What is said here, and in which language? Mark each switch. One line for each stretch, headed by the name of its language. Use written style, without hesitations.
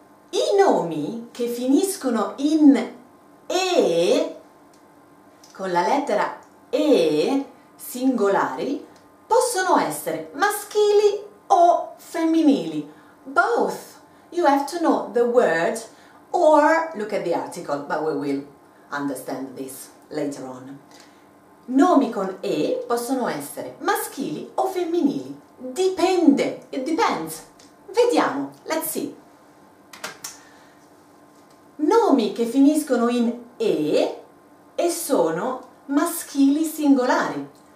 Italian: I nomi che finiscono in E, con la lettera E, singolari, possono essere maschili o femminili.
English: Both. You have to know the word or look at the article, but we will understand this later on.
Italian: Nomi con E possono essere maschili o femminili. Dipende.
English: It depends.
Italian: Vediamo.
English: Let's see.
Italian: Nomi che finiscono in E sono maschili singolari.